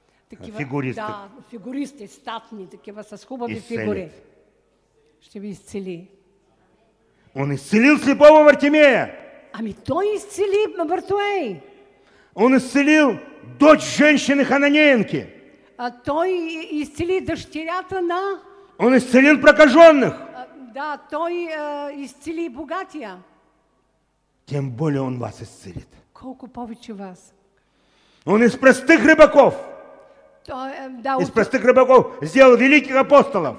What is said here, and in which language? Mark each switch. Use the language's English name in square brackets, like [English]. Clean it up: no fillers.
[Bulgarian] такива, [Russian] фигуристых, [Bulgarian] да, фигуристы, статни, такива с хубави фигури, ще ви изцели. [Russian] Он исцелил слепого Вартимея! [Bulgarian] Ами той исцели Бартуей. [Russian] Он исцелил дочь женщины Хананеенки. [Bulgarian] А той исцели дъщерята на... [Russian] Он исцелил прокаженных. [Bulgarian] Да, той исцели богатия. [Russian] Тем более он вас исцелит. [Bulgarian] Колко повече вас. [Russian] Он из простых рыбаков. [Bulgarian] Той, да, [Russian] из простых рыбаков сделал великих апостолов.